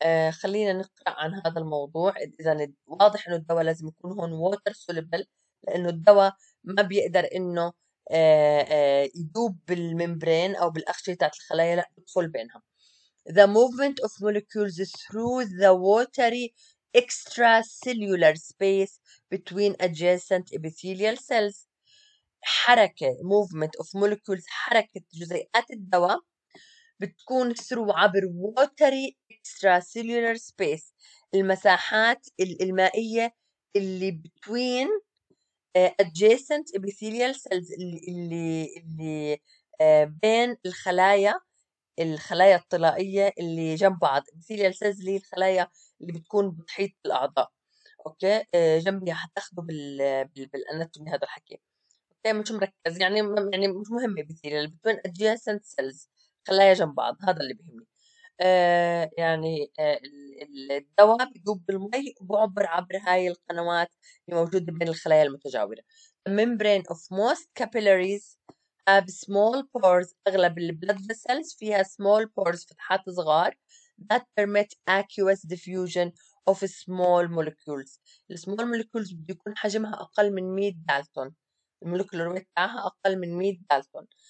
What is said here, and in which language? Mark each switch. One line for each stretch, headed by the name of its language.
Arabic: خلينا نقرا عن هذا الموضوع. اذا واضح انه الدواء لازم يكون هون ووتر سوليبل، لانه الدواء ما بيقدر انه يدوب بالممبرين او بالاغشيه بتاعت الخلايا، لا، بدخل بينها.
English: The movement of molecules through the watery extracellular space between adjacent epithelial cells.
Arabic: حركة
English: movement of molecules،
Arabic: حركة جزيئات الدواء بتكون through عبر
English: watery extracellular space،
Arabic: المساحات المائية اللي
English: between adjacent epithelial cells،
Arabic: اللي بين الخلايا الطلائية اللي جنب بعض. epithelial cells اللي هي الخلايا اللي بتكون بتحيط بالأعضاء، أوكي، جنبي حتاخده بالأناتومي هذا الحكي، أوكي، مش مركز، يعني مش مهم epithelial، بتكون adjacent cells، خلايا جنب بعض، هذا اللي بيهمني. يعني الدواء بيدوب بالمي وبعبر عبر هاي القنوات اللي موجودة بين الخلايا المتجاورة.
English: The membrane of most capillaries have small pores،
Arabic: أغلب البلد
English: vessels فيها small pores،
Arabic: فتحات صغار،
English: that permit aqueous diffusion of small molecules. The small molecules
Arabic: بيكون حجمها أقل من 100 دالتون، المولكيولر ويت تاعها أقل من 100 دالتون.